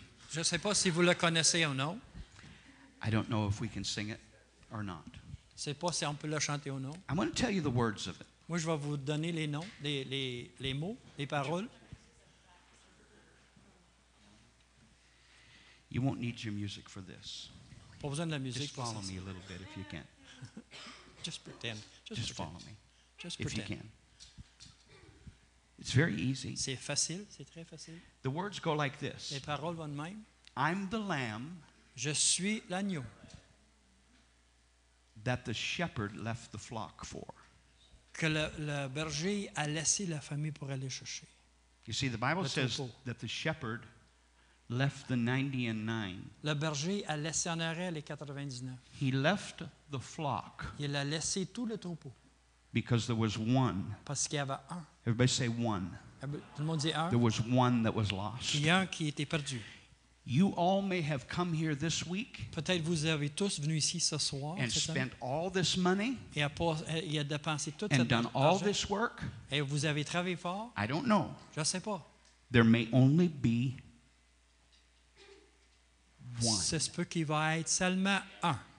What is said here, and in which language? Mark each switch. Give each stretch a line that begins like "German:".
French: Je sais pas si vous le connaissez ou non.
English: I don't know if we can sing it or not.
French: C'est pas si on peut le chanter ou non.
English: I want to tell you the words of it.
French: Moi, je vais vous donner les noms, les mots, les paroles.
English: You won't need your music for this.
French: Pas besoin de la musique pour ça.
English: Just follow me a little bit if you can. Just pretend. Just follow me. Just pretend. If you can. It's very easy.
French: C'est facile, c'est très facile.
English: The words go like this.
French: Les paroles vont de même.
English: I'm the lamb.
French: Je suis l'agneau.
English: That the shepherd left the flock for.
French: Que le berger a laissé la famille pour aller chercher.
English: You see, the Bible says that the shepherd left the 99.
French: Le berger a laissé en arrêt les 99.
English: He left the flock.
French: Il a laissé tout le troupeau.
English: Because there was one.
French: Parce qu'il y avait un.
English: Everybody say one.
French: Tout le monde dit un.
English: There was one that was lost.
French: Il y a un qui était perdu.
English: You all may have come here this week.
French: Peut-être vous avez tous venu ici ce soir.
English: And spent all this money.
French: Et a dépensé tout cet
English: argent. And done all this work.
French: Et vous avez travaillé fort.
English: I don't know.
French: Je sais pas.
English: There may only be one.
French: Ça se peut qu'il va être seulement un.